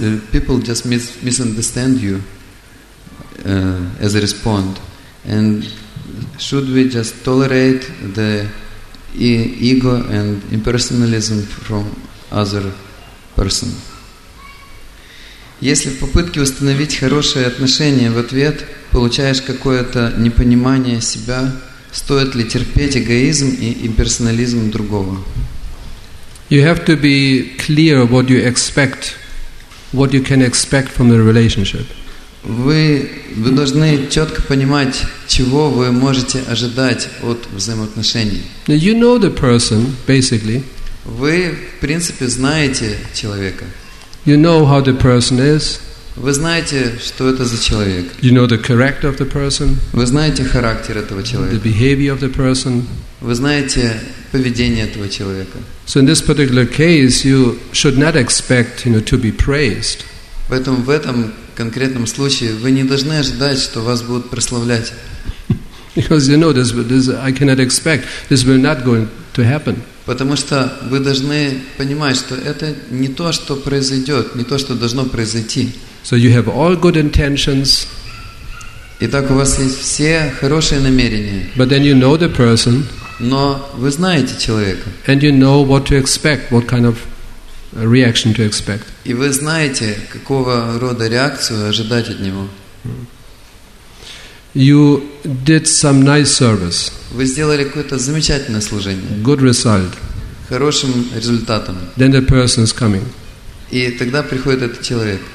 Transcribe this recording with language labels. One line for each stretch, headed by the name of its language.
English: People just misunderstand you as a response, and should we just tolerate the ego and impersonalism from other person?
Russian: Если в попытке установить хорошие отношения в ответ получаешь какое-то непонимание себя, стоит ли терпеть эгоизм и имперсонализм другого?
English: You have to be clear what you expect, what you can expect from the relationship.
Russian: Вы должны четко понимать, чего вы можете ожидать от взаимоотношений.
English: Now you know the person, basically.
Russian: Вы, в принципе, знаете человека.
English: You know how the person is.
Russian: Вы знаете, что это за человек.
English: You know the character of the person.
Russian: Вы знаете характер этого человека.
English: The behavior of the person.
Russian: Вы знаете поведение этого человека.
English: So in this particular case, you should not expect, to be praised.
Russian: Поэтому в этом конкретном случае вы не должны ожидать, что вас будут прославлять.
English: Because this I cannot expect. This will not going to happen.
Russian: Потому что вы должны понимать, что это не то, что произойдет, не то, что должно произойти.
English: So you have all good intentions.
Russian: Итак, у вас есть все хорошие намерения.
English: But then you know the person.
Russian: Но вы знаете человека.
English: And you know what to expect, what kind of reaction to expect.
Russian: И вы знаете, какого рода реакцию ожидать от него.
English: You did some nice service.
Russian: Вы сделали какое-то замечательное служение.
English: Good result.
Russian: Хорошим результатом.
English: Then the person is coming.
Russian: И тогда приходит этот человек.